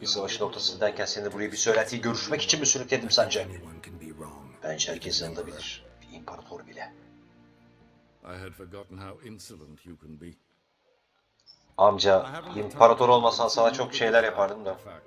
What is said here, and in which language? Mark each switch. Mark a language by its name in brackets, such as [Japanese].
[Turkish] Biz savaş noktasındayken seni buraya bir söyletiyi görüşmek için mi sürükledim sence? Bence herkes yanılabilir. Bir imparator bile. [English] I had forgotten how insolent you can be. [Turkish] Amca, imparator olmasan sana çok şeyler yapardım da.